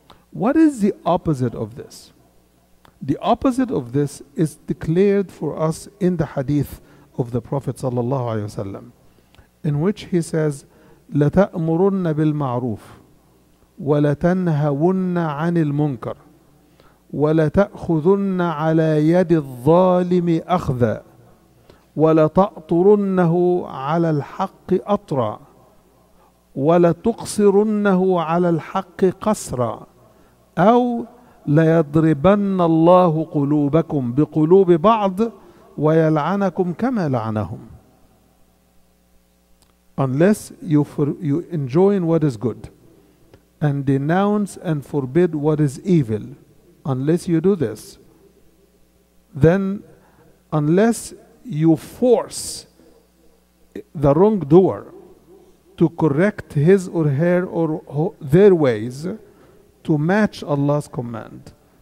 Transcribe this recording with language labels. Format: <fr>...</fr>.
<en>What is the opposite of this? The opposite of this is declared for us in the hadith of the Prophet sallallahu alaihi wasallam, in which he says,</en> <ar>لَتَأْمُرُنَّ بِالْمَعْرُوفِ وَلَتَنْهَوُنَّ عَنِ الْمُنْكَرِ وَلَتَأْخُذُنَّ عَلَى يَدِ الظَّالِمِ أَخْذًا ولتأطرنه على الحق أطرا ولتقصرنه على الحق قصرا أو ليضربن الله قلوبكم بقلوب بعض ويلعنكم كما لعنهم.</ar> <en>Unless you enjoin what is good and denounce and forbid what is evil, unless you do this, then unless you force the wrongdoer to correct his or her or their ways to match Allah's command.</en>